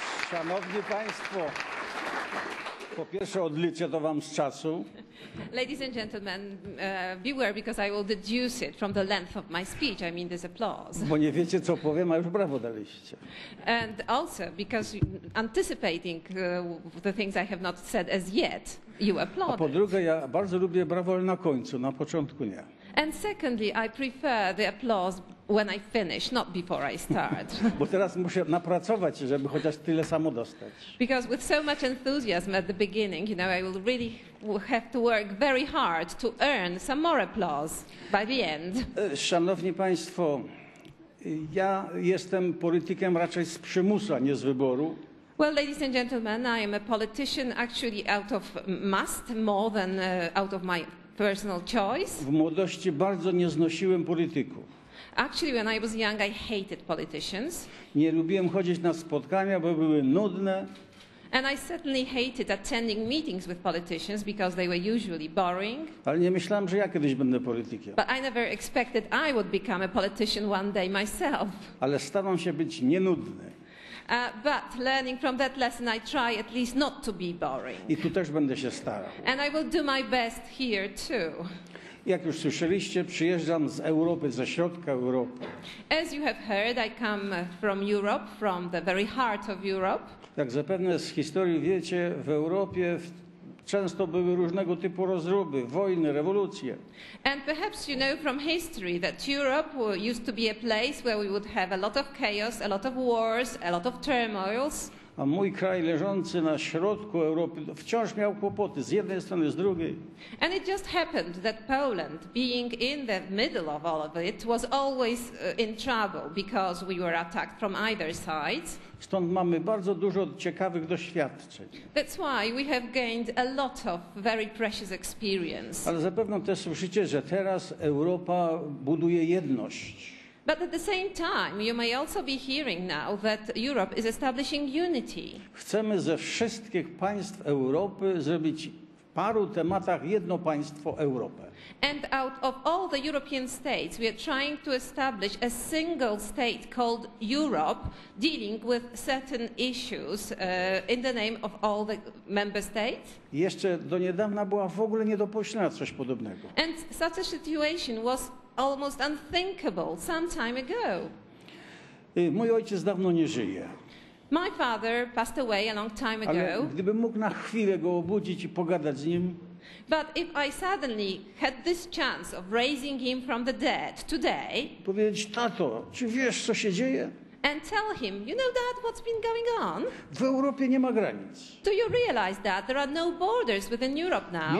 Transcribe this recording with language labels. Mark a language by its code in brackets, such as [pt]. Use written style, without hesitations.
[pl] Szanowni Państwo, po pierwsze odliczę to Wam z czasu. [en] Ladies and gentlemen, beware because I will deduce it from the length of my speech. I mean this applause. [pl] Bo nie wiecie, co powiem, a już brawo daliście. [en] And also because anticipating the things I have not said as yet, you applaud. [pl] A po drugie, ja bardzo lubię brawo, ale na końcu, na początku nie. [en] And secondly, I prefer the applause when I finish, not before I start. [pl] Bo teraz muszę napracować, żeby chociaż tyle samo dostać. [en] Because with so much enthusiasm at the beginning, you know, I will really have to work very hard to earn some more applause by the end. [pl] Szanowni Państwo, ja jestem politykiem raczej z przymusu, a nie z wyboru. [en] Well, ladies and gentlemen, I am a politician actually out of must more than out of my personal choice. [pl] W młodości bardzo nie znosiłem polityków. [en] Actually, when I was young, I hated politicians. [pl] Nie lubiłem chodzić na spotkania, bo były nudne. [en] And I certainly hated attending meetings with politicians because they were usually boring. [pl] Ale nie myślałem, że ja kiedyś będę politykiem. [en] But I never expected I would become a politician one day myself. [pl] Ale staram się być nienudny. [en] But learning from that lesson, I try at least not to be boring. [pl] I tu też będę się starał. [en] And I will do my best here too. [pl] Jak już słyszeliście, przyjeżdżam z Europy, ze środka Europy. [en] As you have heard, I come from Europe, from the very heart of Europe. [pl] Jak zapewne z historii wiecie, w Europie często były różnego typu rozruby, wojny, rewolucje. [en] And perhaps you know from history that Europe used to be a place where we would have a lot of chaos, a lot of wars, a lot of turmoils. [pl] A mój kraj leżący na środku Europy wciąż miał kłopoty z jednej strony, z drugiej. [en] And it just happened that Poland, being in the middle of all of it, was always in trouble because we were attacked from either sides. [pl] Stąd mamy bardzo dużo ciekawych doświadczeń. [en] That's why we have gained a lot of very precious experience. [pl] Ale zapewne też słyszycie, że teraz Europa buduje jedność. [en] But at the same time, you may also be hearing now that Europe is establishing unity. [pl] Chcemy ze wszystkich państw Europy zrobić w paru tematach jedno państwo Europę. [en] And out of all the European states, we are trying to establish a single state called Europe, dealing with certain issues in the name of all the member states. [pl] Jeszcze do niedawna była w ogóle nie do pomyślenia coś podobnego. [en] And such a situation was almost unthinkable some time ago. [pl] Mój ojciec dawno nie żyje. [en] My father passed away a long time ago. [pl] Ale gdybym mógł na chwilę go obudzić i pogadać z nim. [en] But if I suddenly had this chance of raising him from the dead today. [pl] Powiedzieć, tato, czy wiesz, co się dzieje? [en] And tell him, you know, dad, what's been going on? [pl] W Europie nie ma granic. [en] Do you realize that there are no borders within Europe now?